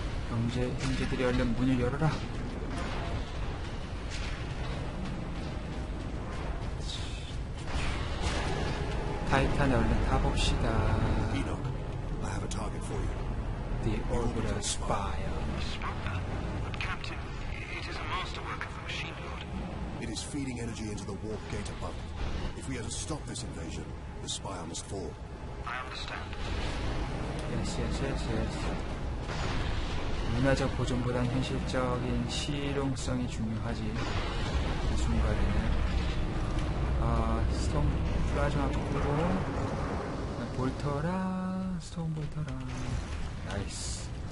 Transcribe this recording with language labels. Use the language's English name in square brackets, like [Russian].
[Korean] 형제, 형제들이 얼른 문을 열어라. 타이탄에 얼른 타봅시다. [English] Enoch, I have a target for you. The Orbital Spire. Captain, it is a masterwork of the Machine Lord. It is feeding energy into the warp gate above. If we are to stop this invasion, the spire must fall. I understand. Yes, yes, yes, yes. [Korean] 문화적 보존보단 현실적인 실용성이 중요하지. 이 순간에는. 아, 스톤 플라즈마 풀고, 볼터랑, 스톤 볼터랑. 나이스.